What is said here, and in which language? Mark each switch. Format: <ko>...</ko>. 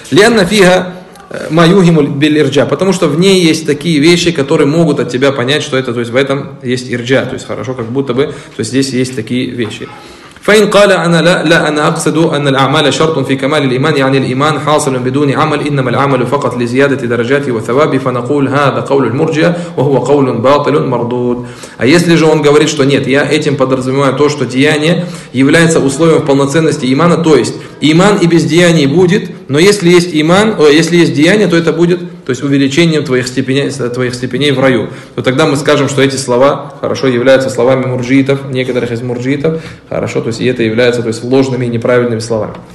<ar>Лянна фига Маюхиму бильирджа,</ar> <ru>потому что в ней есть такие вещи, которые могут от тебя понять, что это, то есть в этом есть ирджа, то есть хорошо, как будто бы, то есть здесь есть такие вещи.</ru> <ar>فإن قال أنا لا أنا أقصد أن الأعمال شرط في كمال الإيمان يعني الإيمان حاصل بدون عمل إنما العمل فقط لزيادة درجاته وثوابه فنقول هذا قول المرجئة وهو قول باطل مردود.</ar> <ru>А если же он говорит, что нет, я этим подразумеваю то, что деяние является условием полноценности имана, то есть иман и без деяний будет, но если есть иман, если есть деяние, то это будет, то есть увеличением твоих степеней в раю. То тогда мы скажем, что эти слова хорошо являются словами мурджиитов, некоторых из мурджиитов, хорошо, то есть и это является, то есть, ложными и неправильными словами.</ru>